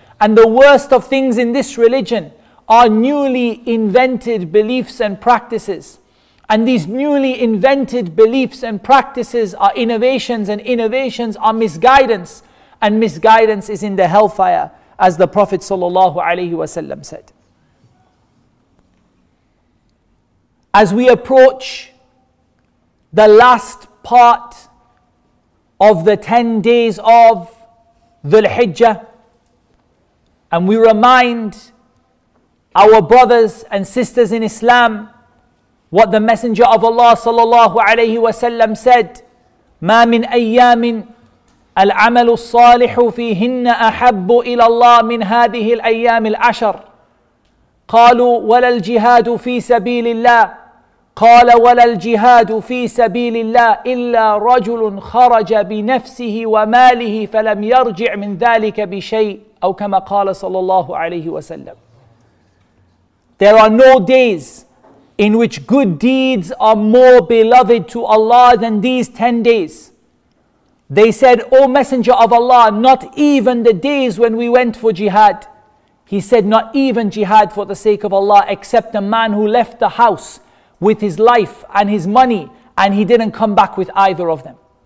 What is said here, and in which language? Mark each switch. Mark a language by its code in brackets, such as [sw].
[en] And the worst of things in this religion are newly invented beliefs and practices. And these newly invented beliefs and practices are innovations, and innovations are misguidance. And misguidance is in the hellfire, as the Prophet sallallahu alayhi wasallam said. As we approach the last part of the 10 days of Dhul-Hijjah, and we remind our brothers and sisters in Islam what the Messenger of Allah sallallahu alayhi wasallam said, [ar] مَا مِنْ أَيَّامٍ العمل الصالح فيهن أحب إلى الله من هذه الأيام العشر قالوا ولا الجهاد في سبيل الله قال ولا الجهاد في سبيل الله إلا رجل خرج بنفسه وماله فلم يرجع من ذلك بشيء أو كما قال صلى الله عليه وسلم. [en] There are no days in which good deeds are more beloved to Allah than these 10 days. They said, O Messenger of Allah, not even the days when we went for jihad. He said, not even jihad for the sake of Allah, except a man who left the house with his life and his money, and he didn't come back with either of them.